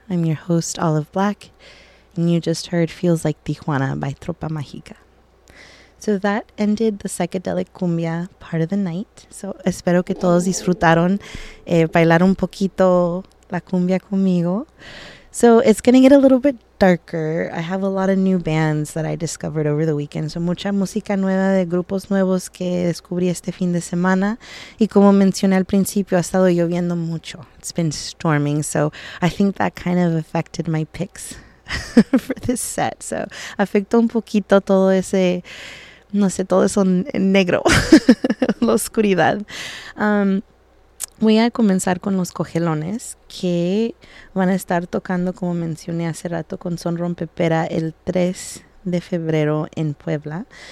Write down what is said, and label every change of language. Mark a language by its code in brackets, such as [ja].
[en] I'm your host, Olive Black, and you just heard Feels Like Tijuana by Tropa Mágica. So that ended the psychedelic cumbia part of the night. [es] So espero que todos disfrutaron bailar un poquito la cumbia conmigo. [en] So it's going to get a little bit darker. I have a lot of new bands that I discovered over the weekend. [es] So mucha música nueva de grupos nuevos que descubrí este fin de semana. Y como mencioné al principio, ha estado lloviendo mucho. [en] It's been storming. So I think that kind of affected my picks for this set. [es] So afectó un poquito todo ese, no sé, todo eso negro, la oscuridad. Voy a comenzar con los cojelones, que van a estar tocando, como mencioné hace rato, con Son Rompepera el 3 de febrero en Puebla.